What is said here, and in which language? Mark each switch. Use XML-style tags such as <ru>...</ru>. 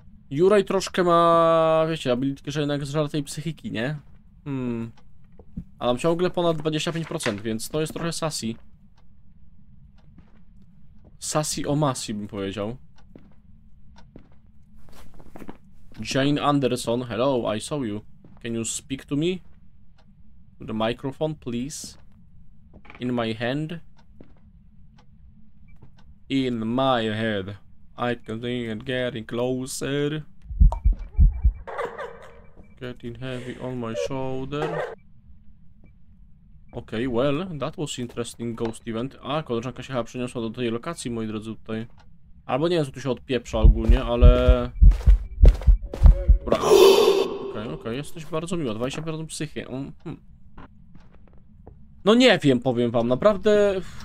<pl>Yurei troszkę ma, wiecie, abilitkę, że jednak zżar tej psychiki, nie? A mam ciągle ponad 25%, więc to jest trochę sassy. Sassy o masy, bym powiedział.</pl> <en>Jane Anderson, hello, I saw you. Can you speak to me? The microphone, please. In my hand. In my head. I can see it getting closer. Getting heavy on my shoulder. Okej, okay, well, that was interesting ghost event.</en> <pl>A, koleżanka się chyba przeniosła do tej lokacji, moi drodzy, tutaj. Albo nie wiem, co tu się odpieprza ogólnie, ale... Dobra. Okej, okay, okej, okay, jesteś bardzo miła. 25% psychy. No nie wiem, powiem wam, naprawdę...</pl>